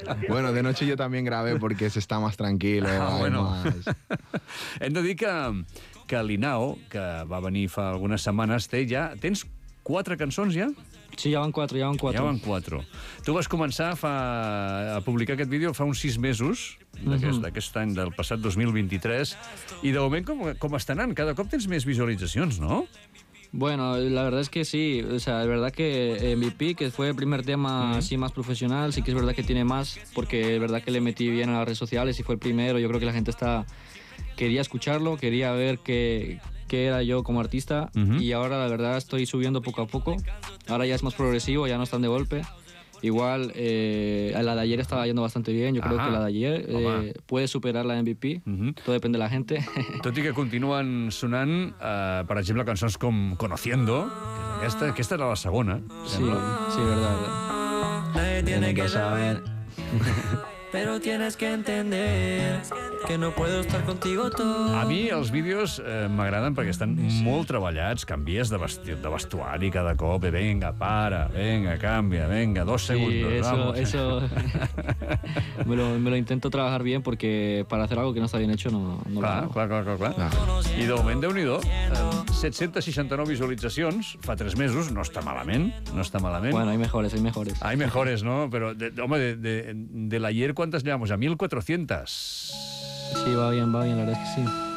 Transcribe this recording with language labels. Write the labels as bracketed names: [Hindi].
[Spanish] Bueno, de noche yo también grabé porque se está más tranquilo. Bueno, más. [Catalan] Hem de dir que Linao, que va venir fa algunes setmanes, tens 4 cançons ja? Sí, ja van 4. Ja van 4. Tu vas començar a publicar aquest vídeo fa uns 6 mesos, d'aquest any, del passat 2023, i de moment com està anant? Cada cop tens més visualitzacions, no? [Spanish] Bueno, la verdad es que sí, o sea, es verdad que MVP, que fue el primer tema así más profesional, sí que es verdad que tiene más, porque es verdad que le metí bien a las redes sociales y fue el primero, yo creo que la gente quería escucharlo, quería ver qué era yo como artista, y ahora la verdad estoy subiendo poco a poco, ahora ya es más progresivo, ya no están de golpe. Igual, la de ayer estaba yendo bastante bien. Yo creo que la de ayer puede superar la MVP. Todo depende de la gente. [Catalan] Tot i que continuen sonant, per exemple, cançons com Conociendo. Aquesta era la segona. [Spanish] Sí, verdad. Nadie tiene que saber, pero tienes que entender que no puedo estar contigo todo. [Catalan] A mi els vídeos m'agraden perquè estan molt treballats, canvies de vestuari cada cop, i [Spanish] venga, para, venga, cambia, venga, 2 segundos, sí, eso, vamos. Eso... me lo intento trabajar bien porque para hacer algo que no está bien hecho no [Catalan] clar, [Spanish] lo hago. [Catalan] Clar. I de moment, déu-n'hi-do, 769 visualitzacions fa 3 mesos, no està malament. [Spanish] Bueno, hay mejores. Hay mejores, ¿no? Pero, de l'ayer, ¿cuántas llevamos? A 1.400. Sí, va bien, la verdad es que sí.